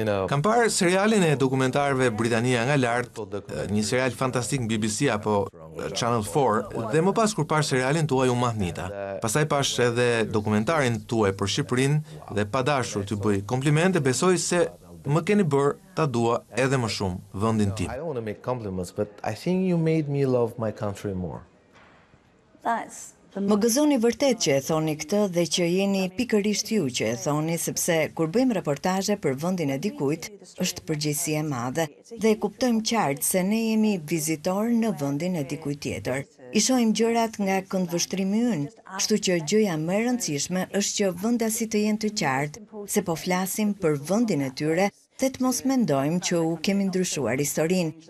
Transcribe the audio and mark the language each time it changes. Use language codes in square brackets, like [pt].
[sq] Kam parë serialin e dokumentarëve Britania nga lart, një serial fantastik në BBC apo Channel 4, dhe më pas kur parë serialin tuaj u mahnita. Pastaj pash edhe dokumentarin tuaj për Shqipërinë dhe pa dashur t'ju bëj komplimente, besoj se më keni bërë ta dua edhe më shumë vendin tim. [en] I don't want to make compliments, but I think you made me love my country more. [sq] Më gëzoni vërtet që e thoni këtë dhe që jeni pikërisht ju që e thoni, sepse kur bëjmë reportazhe për vendin e dikujt, është përgjegjësi e madhe dhe e kuptojmë qartë se ne jemi vizitor në vendin e dikujt tjetër. I shohim gjërat nga këndvështrimi ynë, kështu që gjëja më e rëndësishme është që vendasit të jenë të qartë se po flasim për vendin e tyre dhe të mos mendojmë që u kemi ndryshuar historinë.